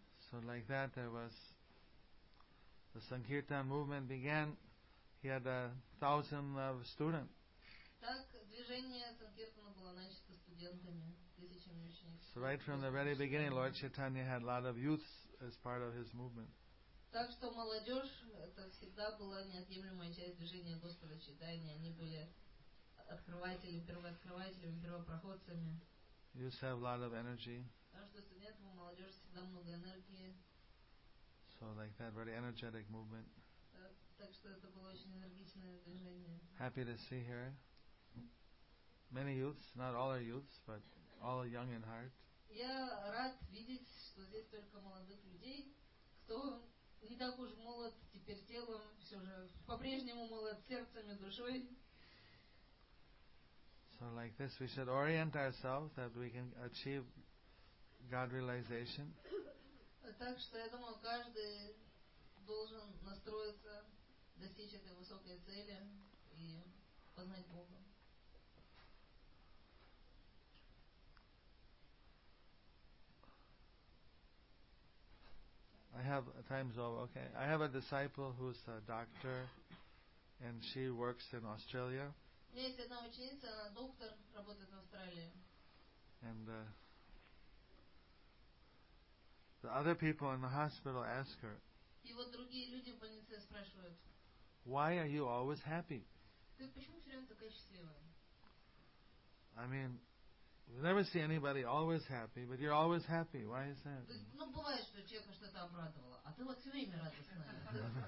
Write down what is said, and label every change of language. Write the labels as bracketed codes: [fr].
[en] So like that there was the Sankirtan movement began. He had 1,000 of students. [ru] Так движение Санкиртана было начато студентами, тысячами учеников. [en] So right from the very beginning, Lord Chaitanya had a lot of youths as part of his movement. [ru] Так что молодежь это всегда была неотъемлемая часть движения Господа Чайтаньи. Они были открывателями, первооткрывателями, первопроходцами. [en] Youths have a lot of energy. [ru] Так что студентам и молодежь всегда много энергии. [en] So like that, very energetic movement. [ru] Так что это было очень энергичное движение. [en] Happy to see here many youths, not all are youths, but all are young in heart. [ru] Я рад видеть, что здесь только молодых людей, кто не так уж молод теперь телом, все же по-прежнему молод сердцем и душой. [en] So like this, we should orient ourselves that we can achieve God realization. [ru] Так что я думаю, каждый должен настроиться достичь этой высокой цели и познать Бога. [en] I have time's over. Okay, I have a disciple who's a doctor, and she works in Australia. [ru] Есть одна ученица, она доктор, работает в Австралии. [en] And the other people in the hospital ask her. [ru] И вот другие люди в больнице спрашивают. [en] Why are you always happy? [ru] Ты почему все время такая счастливая? [en] I mean, we never see anybody always happy, but you're always happy. Why is that? [ru] Ну, бывает, что человека что-то обрадовало, а ты вот все время радостная.